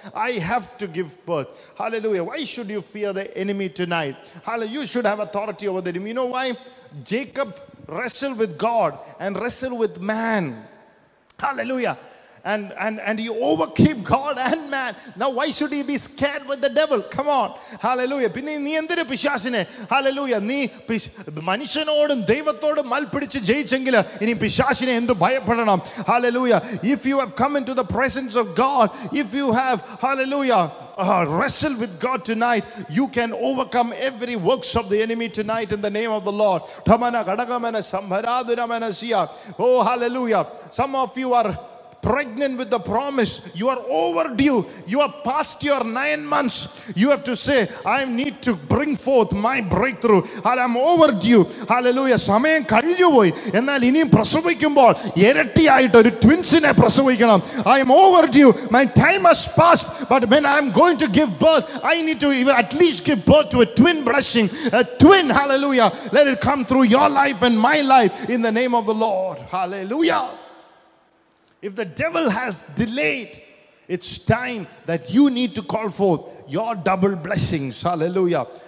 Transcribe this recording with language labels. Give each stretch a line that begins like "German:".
English: I have to give birth. Hallelujah. Why should you fear the enemy tonight? Hallelujah. You should have authority over the enemy. You know why? Jacob wrestled with God and wrestled with man. Hallelujah. And he overcame God and man. Now why should he be scared with the devil? Come on. Hallelujah.
Malayalam: പിന്നെ നീ എന്തിനു പിശാചിനെ, hallelujah, നീ മനുഷ്യനോടും ദൈവത്തോടും മൽപിടിച്ച് ജയിച്ചെങ്കിൽ ഇനി പിശാചിനെ എന്ത് ഭയപ്പെടണം? Hallelujah.
English: If you have come into the presence of God, if you have, hallelujah, wrestle with God tonight, you can overcome every works of the enemy tonight in the name of the Lord. Thamana gadagamana sambharaduramana siya. Oh, hallelujah. Some of you are pregnant with the promise. You are overdue. You are past your 9 months. You have to say, I need to bring forth my breakthrough. I'm overdue. Hallelujah.
Malayalam: സമയം കഴിഞ്ഞു പോയി. എന്നാൽ ഇനിയും പ്രസവിക്കുമ്പോൾ ഇരട്ടിയായിട്ട് ഒരു ട്വിൻസിനെ പ്രസവിക്കണം.
English: I am overdue. My time has passed. But when I'm going to give birth, I need to even at least give birth to a twin blessing. A twin. Hallelujah. Let it come through your life and my life in the name of the Lord. Hallelujah. If the devil has delayed, it's time that you need to call forth your double blessings. Hallelujah.